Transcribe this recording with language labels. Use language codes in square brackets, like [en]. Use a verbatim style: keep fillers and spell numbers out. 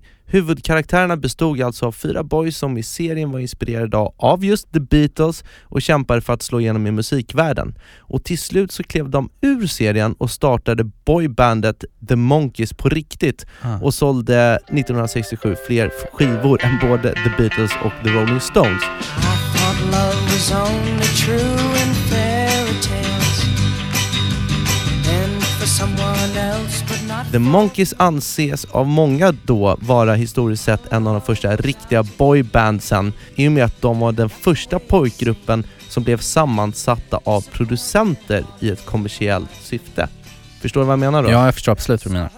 [sv] Huvudkaraktärerna bestod alltså av fyra boys som i serien var inspirerade av just The Beatles och kämpade för att slå igenom i musikvärlden. Och till slut så klev de ur serien och startade boybandet The Monkees på riktigt ah. och sålde nittonhundrasextiosju fler skivor än både The Beatles och The Rolling Stones. [en] Love was only true in fairy tales. And for someone else but not. [sv] The Monkees anses av många då vara historiskt sett en av de första riktiga boybandsen i och med att de var den första pojkgruppen som blev sammansatta av producenter i ett kommersiellt syfte. Förstår du vad jag menar då? Ja, jag förstår absolut vad du menar.